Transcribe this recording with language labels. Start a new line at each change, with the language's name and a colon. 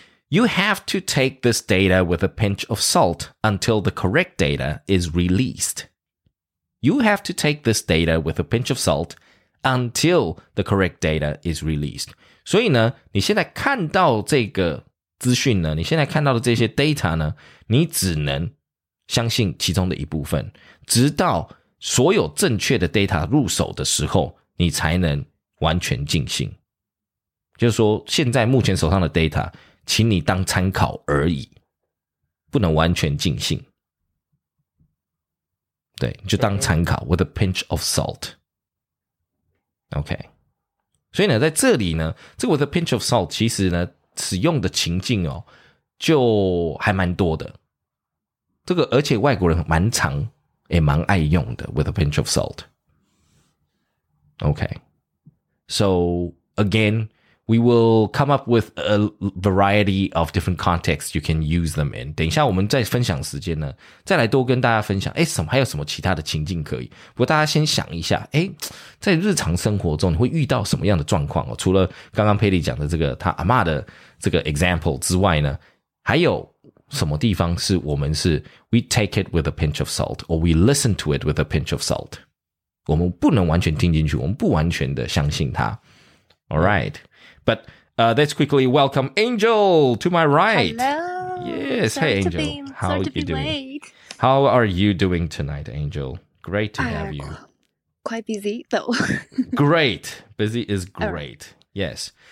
English: You have to take this data with a pinch of salt until the correct data is released. You have to take this data with a pinch of salt until the correct data is released.
Chinese: 所以呢，你现在看到这个资讯呢，你现在看到的这些 data 呢，你只能相信其中的一部分，直到所有正确的 data 入手的时候，你才能完全尽信。就是说现在目前手上的 data 请你当参考而已，不能完全尽信。对，就当参考
English: with a pinch of salt。
Chinese: OK， 所以呢在这里呢，这个 with a pinch of salt 其实呢使用的情境哦就还蛮多的，这个而且外国人蛮常也蛮爱用的 with a pinch of salt。
English: OKSo again, we will come up with a variety of different contexts you can use them in.
Chinese: 等一下我们再分享时间呢，再来多跟大家分享，诶，什么，还有什么其他的情境可以。不过大家先想一下，诶，在日常生活中你会遇到什么样的状况哦？除了刚刚佩蒂讲的这个他阿嬷的这个 example 之外呢，还有什么地方是我们是
English: we take it with a pinch of salt
Chinese: or we listen to it with a pinch of salt? 我们不能完全听进去，我们不完全的相信他。
English: All right, but let's quickly welcome Angel to my right. Hello. Yes, hey Angel. How are you doing? Late. How are you doing tonight, Angel? Great to have you. Quite busy though. Great. Busy is great. Yes.